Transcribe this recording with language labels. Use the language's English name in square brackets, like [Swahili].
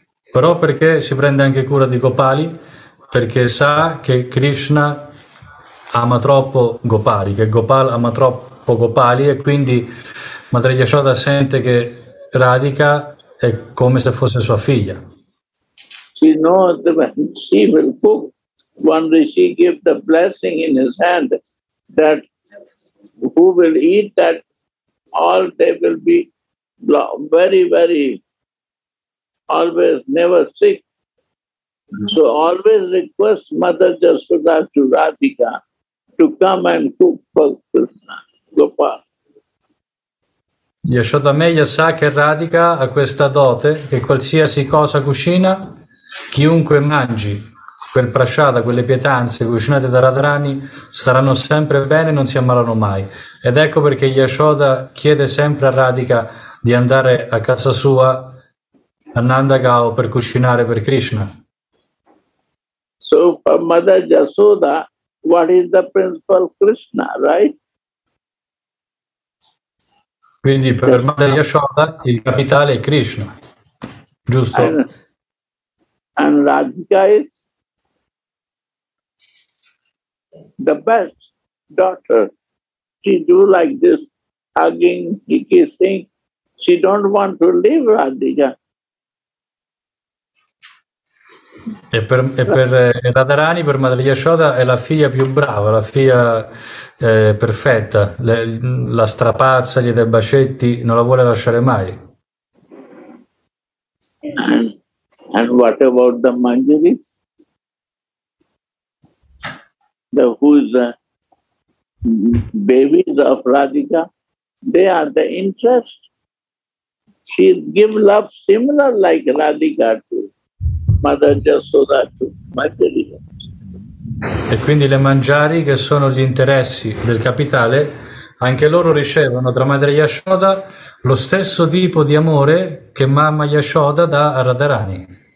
[Italian] Però perché si prende anche cura di Gopali? Perché sa che Krishna ama troppo Gopali, che Gopal ama troppo Gopali e quindi Madre Yashoda sente che Radhika è come se fosse sua figlia. [English] She knows that she will cook when she gives the blessing in his hand that who will eat that all they will be very, very always, never sick. So always request Mother Yashoda to Radhika to come and cook for Krishna, Gopal. [Italian] Yashoda Maya sa che Radhika ha questa dote, che qualsiasi cosa cucina, chiunque mangi quel prasciada, quelle pietanze cucinate da Radharani, staranno sempre bene e non si ammalano mai. Ed ecco perché Yashoda chiede sempre a Radhika di andare a casa sua Ananda Gao per cucinare per Krishna. [English] So for Mother Yashoda, what is the principle? Krishna, right? [Italian] Quindi per Madre Yashoda il capitale è Krishna, giusto? [English] And Radhika is the best daughter. She do like this, hugging, kissing. She don't want to leave Radhika. [Italian] E per Radharani, per Madre Yashoda, è la figlia più brava, la figlia perfetta, la strapazza, gli dà bacetti, non la vuole lasciare mai. [English] And what about the Manjari? The whose babies of Radhika, they are the interest. She give love similar like Radhika too. [Italian] E quindi le Manjari, che sono gli interessi del capitale, anche loro ricevono da Madre Yashoda lo stesso tipo di amore che mamma Yashoda dà a Radharani.